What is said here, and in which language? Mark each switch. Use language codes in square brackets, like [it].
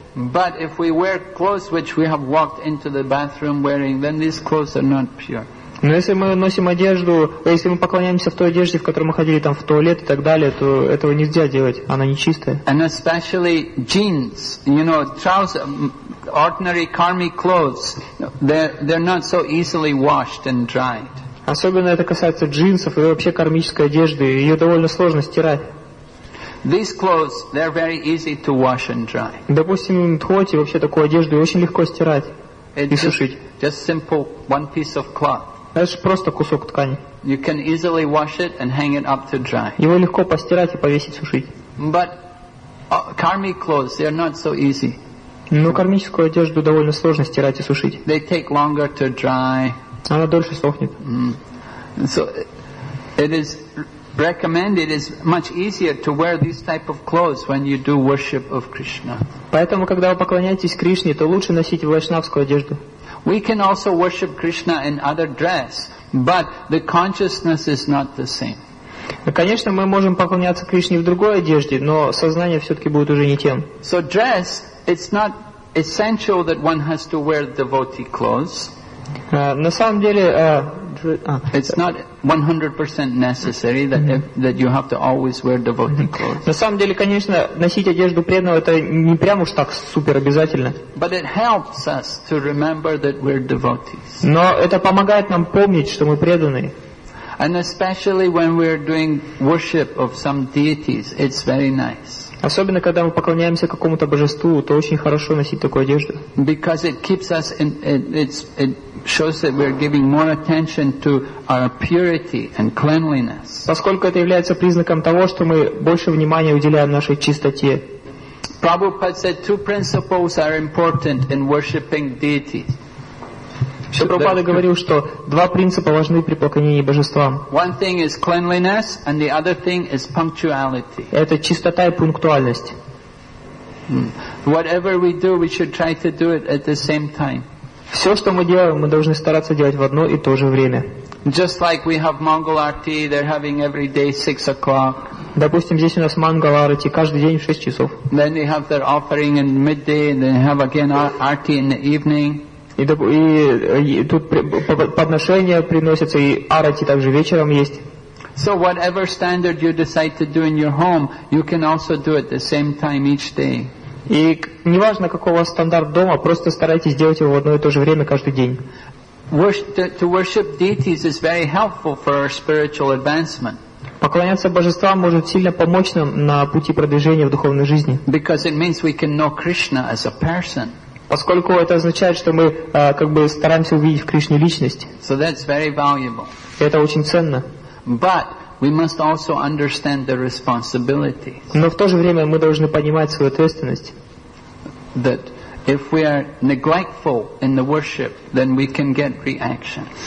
[en] But if we wear clothes which we have walked into the bathroom wearing, then these clothes are not pure. [ru] Но если мы носим одежду, если мы поклоняемся в той одежде, в которой мы ходили там в туалет и так далее, то этого нельзя делать, она нечистая. [en] And especially jeans, you know, trousers, ordinary karmic clothes, they're not so easily washed and dried. [ru] Особенно это касается джинсов и вообще кармической одежды, ее довольно сложно стирать. [en] These clothes, they're very easy to wash and dry. [ru] Допустим, тхоти, вообще такую одежду очень легко стирать [en] it's [ru] и сушить. [en] Just simple one piece of cloth. [ru] Это же просто кусок ткани. [en] You can easily wash it and hang it up to dry. [ru] Его легко постирать и повесить сушить. [en] But karmic clothes, they are not so easy. [ru] Но кармическую одежду довольно сложно стирать и сушить. [en] They take longer to dry. [ru] Она дольше сохнет. Mm. [en] So it is recommended, it is much easier to wear these type of clothes when you do worship of Krishna. [ru] Поэтому, когда вы поклоняетесь Кришне, то лучше носить вайшнавскую одежду. [en] We can also worship Krishna in other dress, but the consciousness is not the same. [ru] Конечно, мы можем поклоняться Кришне в другой одежде, но сознание все-таки будет уже не тем. [en] So dress, it's not essential that one has to wear devotee clothes. [ru] На самом деле, [en] it's not 100% necessary that that you have to always wear devotee clothes. [ru] На самом деле, конечно, носить одежду преданного это не прямо уж так супер обязательно. [en] But it helps us to remember that we're devotees. [ru] Но это помогает нам помнить, что мы преданные. [en] And especially when we're doing worship of some deities, it's very nice. [ru] Особенно когда мы поклоняемся какому-то божеству, то очень хорошо носить такую одежду. [en] Because it keeps us in, it shows that we're giving more attention to our purity and cleanliness. [ru] Поскольку это является признаком того, что мы больше внимания уделяем нашей чистоте. [en] Prabhupada said two principles are important in worshiping deities. [ru] Шрила говорил, что два принципа важны при поклонении божествам. [en] One thing is cleanliness, and the other thing is punctuality. [ru] Это чистота и пунктуальность. [en] Whatever we do, we should try to do it at the same time. [ru] Все, что мы делаем, мы должны стараться делать в одно и то же время. [en] Just like we have Mangal Arati, they're having every day 6 o'clock. [ru] Допустим, здесь у нас Mangal Arati каждый день в 6 часов. [en] Then they have their offering in midday, and they have again Arati in the evening. [ru] И тут подношения приносятся, и арати также вечером есть. [en] So whatever standard you decide to do in your home, you can also do it at the same time each day. [ru] И неважно, какой у вас стандарт дома, просто старайтесь делать его в одно и то же время каждый день. [en] To worship deities is very helpful for our spiritual advancement. [ru] Поклоняться божествам может сильно помочь нам на пути продвижения в духовной жизни. [en] Because it means we can know Krishna as a person. [ru] Поскольку это означает, что мы как бы стараемся увидеть в Кришне личность. [en] So that's very valuable. [ru] Это очень ценно. [en] But we must also understand the responsibilities. [ru] Но в то же время мы должны понимать свою ответственность. [en] That if we are neglectful in the worship, then we can get reaction.